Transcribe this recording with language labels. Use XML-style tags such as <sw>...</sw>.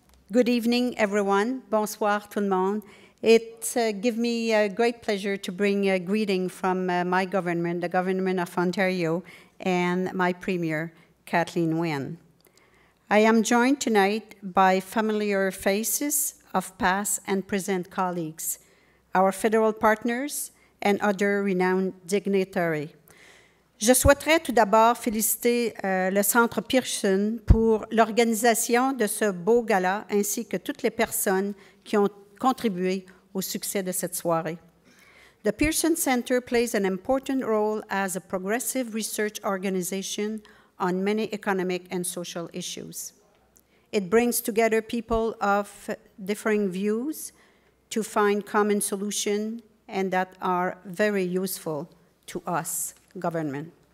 <en>Good evening, everyone.</en> <fr>Bonsoir, tout le monde.</fr> <en>It gives me a great pleasure to bring a greeting from my government, the government of Ontario, and my premier, Kathleen Wynne. I am joined tonight by familiar faces of past and present colleagues, our federal partners, and other renowned dignitaries.</en> <fr>Je souhaiterais tout d'abord féliciter le Centre Pearson pour l'organisation de ce beau gala ainsi que toutes les personnes qui ont contribué au succès de cette soirée.</fr> <en>The Pearson Center plays an important role as a progressive research organization on many economic and social issues. It brings together people of differing views to find common solutions and that are very useful to us, government.</en>